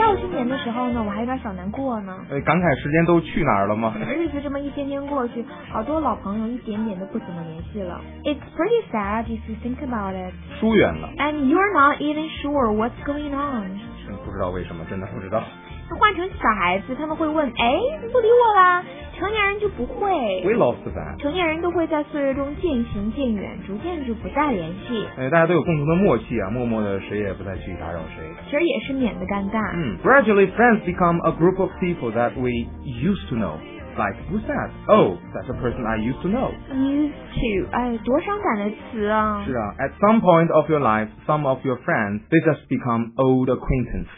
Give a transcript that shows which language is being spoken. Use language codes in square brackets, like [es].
[zh] 年的时候呢，我还有点小难过呢。感慨时间都去哪儿了吗？日子这么一天天过去，好多老朋友一点点都不怎么联系了。 [en] It's pretty sad if you think about it. [zh] 疏远了。 [en] And you're not even sure what's going on. [zh] 不知道为什么，真的不知道。换成小孩子，他们会问，哎，不理我啦。成年人就不会。 [en] We lost that. [zh] 成年人都会在岁月中渐行渐远，逐渐就不再联系。大家都有共同的默契啊，默默的谁也不再去打扰谁。其实也是免得尴尬。 [en] Gradually, friends become a group of people that we used to know. Like, who's that? Oh, that's a person I used to know. Used to. [zh] 多伤感的词啊。是啊。 [en] At some point of your life, some of your friends, they just become old acquaintance.